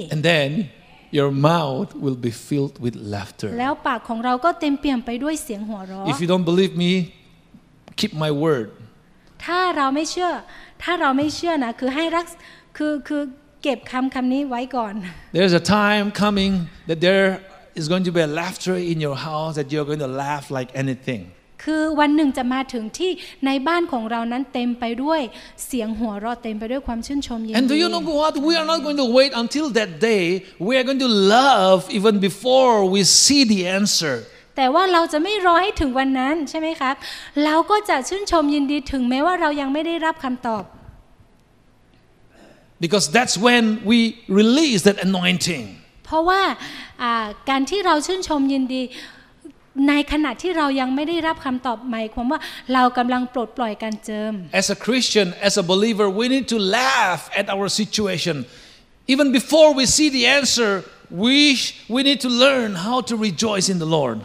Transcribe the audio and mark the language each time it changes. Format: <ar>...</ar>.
<en>And then your mouth will be filled with laughter</en> <th>แล้วปากของเราก็เต็มเปี่ยมไปด้วยเสียงหัวเราะ</th> <en>If you don't believe me keep my word</en> <th>ถ้าเราไม่เชื่อถ้าเราไม่เชื่อนะคือให้รักคือเก็บคำนี้ไว้ก่อน</th> <en>There's a time coming that there is going to be a laughter in your house that you're going to laugh like anything</en> <th>คือวันหนึ่งจะมาถึงที่ในบ้านของเรานั้นเต็มไปด้วยเสียงหัวเราะเต็มไปด้วยความชื่นชมยินดี</th> <en>And do you know what we are not going to wait until that day we are going to love even before we see the answer</en> <th>แต่ว่าเราจะไม่รอให้ถึงวันนั้นใช่ไหมครับเราก็จะชื่นชมยินดีถึงแม้ว่าเรายังไม่ได้รับคำตอบ</th> <en>Because that's when we release that anointing</en> <th>เพราะว่าการที่เราชื่นชมยินดีในขณะที่เรายังไม่ได้รับคำตอบหมายความว่าเรากำลังปลดปล่อยการเจิม</th> <en>As a Christian, as a believer, we need to laugh at our situation. Even before we see the answer, we need to learn how to rejoice in the Lord.</en>